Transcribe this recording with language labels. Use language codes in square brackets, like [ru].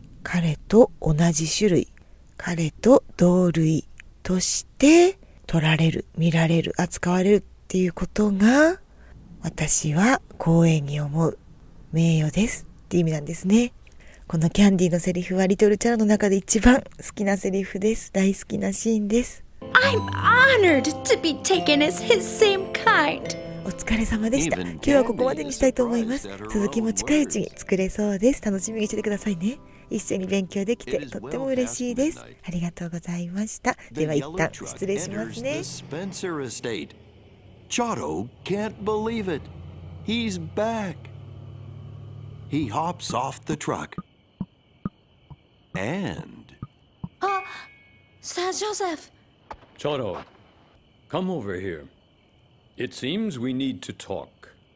[ja] 彼と同じ種類、彼と同類として取られる、見られる、扱われるっていうことが、私は光栄に思う、名誉ですって意味なんですね。このキャンディのセリフはリトルチャラの中で一番好きなセリフです。大好きなシーンです。 [en] I'm honored to be taken as his same kind [ja] お疲れ様でした。今日はここまでにしたいと思います。続きも近いうちに作れそうです。楽しみにしてくださいね。一緒に勉強できてとっても嬉しいです。ありがとうございました。では一旦失礼しますね。スペンサー・エステート。 [en] チャド can't believe it. He's back. He hops off the truck. And... Oh, Sir Joseph. Chado, come over here. It seems we need to talk.